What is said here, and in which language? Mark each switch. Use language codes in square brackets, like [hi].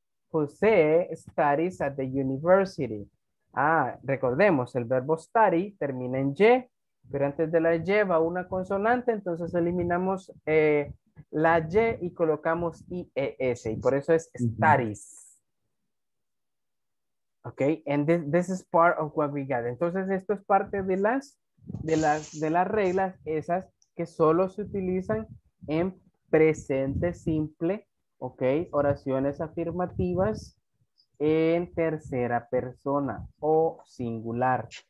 [en] José studies at the university. [es] Ah, recordemos, el verbo study termina en Y, pero antes de la Y va una consonante, entonces eliminamos la Y y colocamos IES, y por eso es studies. [en] Ok, and this is part of what we got. [es] Entonces, esto es parte de las reglas esas que solo se utilizan en presente simple. Ok, oraciones afirmativas en tercera persona o singular.